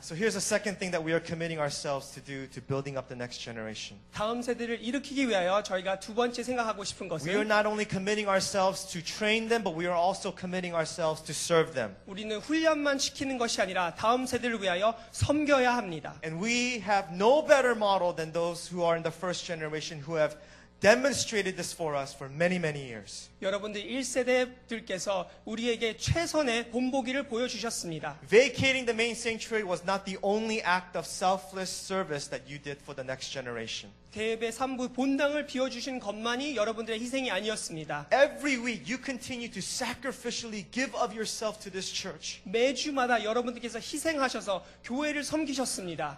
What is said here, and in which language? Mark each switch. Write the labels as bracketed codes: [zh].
[en] So here's the second thing that we are committing ourselves to do to building up the next generation. [ko] 다음 세대를 일으키기 위하여 저희가 두 번째 생각하고 싶은 것은 [en] We are not only committing ourselves to train them, but we are also committing ourselves to serve them. [ko] 우리는 훈련만 시키는 것이 아니라 다음 세대를 위하여 섬겨야 합니다. [en] And we have no better model than those who are in the first generation who have demonstrated this for us for many, many years. [ko] 여러분들 1세대들께서 우리에게 최선의 본보기를 보여주셨습니다. [en] Vacating the main sanctuary was not the only act of selfless service that you did for the next generation. [ko] 대회 3부 본당을 비워주신 것만이 여러분들의 희생이 아니었습니다. [en] Every week you continue to sacrificially give of yourself to this church. [ko] 매주마다 여러분들께서 희생하셔서 교회를 섬기셨습니다.